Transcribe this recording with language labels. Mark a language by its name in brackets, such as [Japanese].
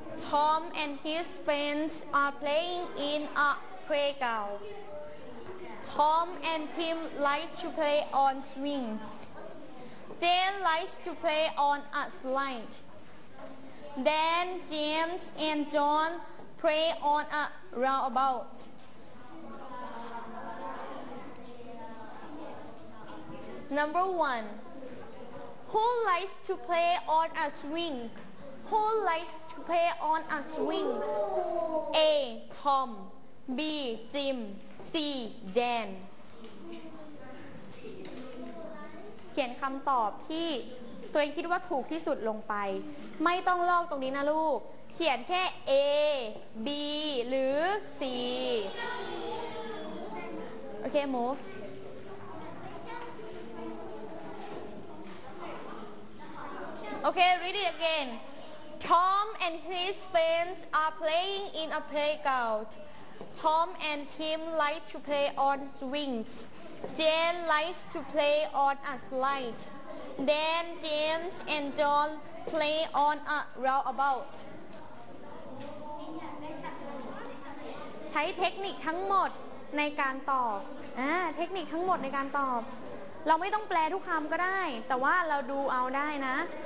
[English] Tom and his friends are playing in a playground Tom and Tim like to play on swings Jane likes to play on a slide Then James and John play on a roundabout Number one Who likes to play on a swing? Who likes to play on a swing? A. Tom B. Jim C. [Thai] Dan เขียนคำตอบที่ตัวเองคิดว่าถูกที่สุดลงไปไม่ต้องลอกตรงนี้นะลูกเขียนแค่ A B หรือ C [English] โอเค move โอเค read it again Tom and his friends are playing in a playground Tom and Tim like to play on swings Jane likes to play on a slide. Then James and John play on a roundabout. [Thai] ใช้เทคนิคทั้งหมดในการตอบเทคนิคทั้งหมดในการตอบเราไม่ต้องแปลทุกคำก็ได้แต่ว่าเราดูเอาได้นะ